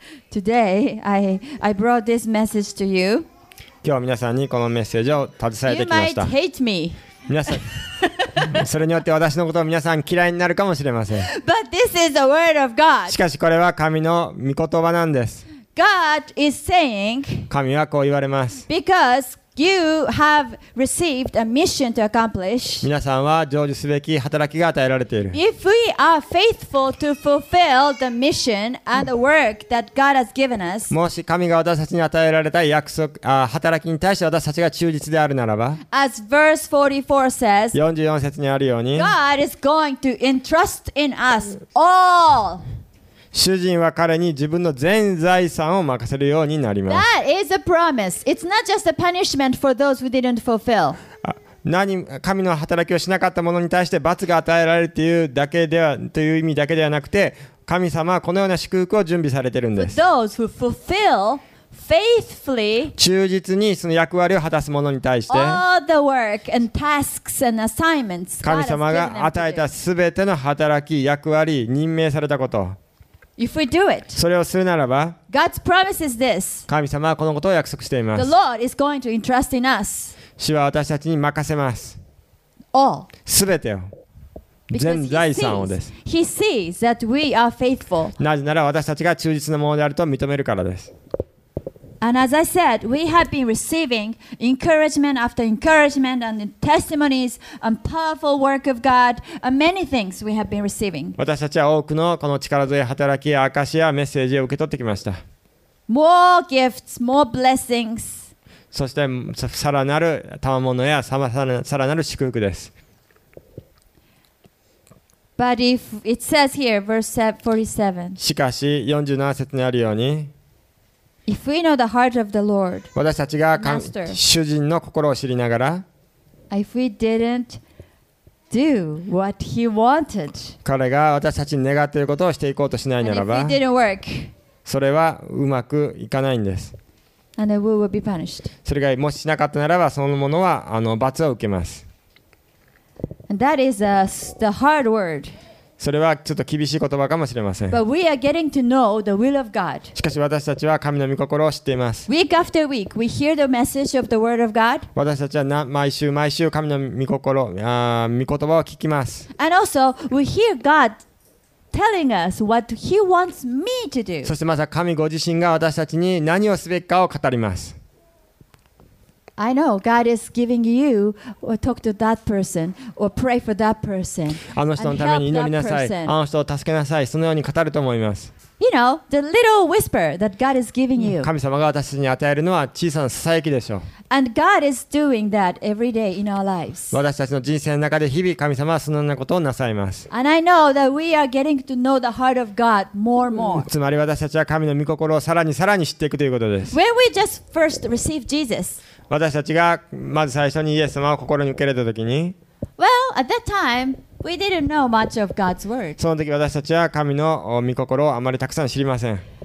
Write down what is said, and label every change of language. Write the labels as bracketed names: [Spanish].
[English] Today, I brought this message to you. [Japanese] 今日皆さんにこのメッセージを携えてきました。 [English] You might hate me. [Japanese] 皆さん、それによって私のことを皆さん嫌いになるかもしれません。 [English] But this is the word of God. [Japanese] しかしこれは神の御言葉なんです。 [English] God is saying, [Japanese] 神はこう言われます。 [English] Because you have received a mission to accomplish. [Japanese] 皆さんは成就すべき働きが与えられている。 [English] If we are faithful to fulfill the mission and the work that God has given us, [Japanese] もし神が私たちに与えられた約束、働きに対して私たちが忠実であるならば、 [English] As verse 44 says, [Japanese] 44節にあるように、 [English] God is going to entrust in us all. [Japanese] 主人は彼に自分の全財産を任せるようになります。 [English] That is a promise. It's not just a punishment for those who didn't fulfill. [Japanese] 神の働きをしなかった者に対して罰が与えられるというだけではという意味だけではなくて、神様はこのような祝福を準備されているんです。 [English] Those who fulfill faithfully, [Japanese] 忠実にその役割を果たす者に対して、 [English] all the work and tasks and assignments, [Japanese] 神様が与えたすべての働き、役割、任命されたこと。 [English] If we do it, [Japanese] それをするならば、 [English] God's promise is this. [Japanese] 神様はこのことを約束しています。 [English] The Lord is going to entrust in us. [Japanese] 主は私たちに任せます。 [English] All. [Japanese] すべてを。全財産をです。 [English] He sees that we are faithful. [Japanese] なぜなら私たちが忠実なものであると認めるからです。 [English] And as I said, we have been receiving encouragement after encouragement and testimonies and powerful work of God and many things we have been receiving. [Japanese] 私たちは多くのこの力強い働きや証やメッセージを受け取ってきました。 [English] More gifts, more blessings. [Japanese] そしてさらなる賜物やさらなる祝福です。 [English] But if it says here, verse 47. [Japanese] しかし47節にあるように、 [English] If we know the heart of the Lord, [Japanese] 私たちが Master, 主人の心を知りながら、 [English] If we didn't do what he wanted, [Japanese] 彼が私たちに願っていることをしていこうとしないならば、 [English] And if we didn't work, [Japanese] それはうまくいかないんです。 [English] And then we will be punished. [Japanese] それがもししなかったならば、そのものは罰を受けます。 [English] And that is the hard word. [Japanese] それはちょっと厳しい言葉かもしれません。 [English] But we are getting to know the will of God. [Japanese] しかし私たちは神の御心を知っています。 [English] Week after week, we hear the message of the word of God. [Japanese] 私たちは毎週毎週神の御心、御言葉を聞きます。 [English] And also, we hear God telling us what He wants me to do. [Japanese] そしてまた神ご自身が私たちに何をすべきかを語ります。 [English] I know God is giving you or talk to that person or pray for that person. [Japanese] あの人のために祈りなさい。あの人を助けなさい。そのように語ると思います。 [English] You know, the little whisper that God is giving you. [Japanese] 神様が私たちに与えるのは小さなささやきでしょう。 [English] And God is doing that every day in our lives. [Japanese] 私たちの人生の中で日々神様はそのようなことをなさいます。 [English] And I know that we are getting to know the heart of God more and more. [Japanese] つまり私たちは神の御心をさらにさらに知っていくということです。 [English] When we just first received Jesus, [Japanese] 私たちがまず最初にイエス様を心に受け入れたときに、 [English] Well, at that time, we didn't know much of God's word. [Japanese] その時私たちは神の御心をあまりたくさん知りません。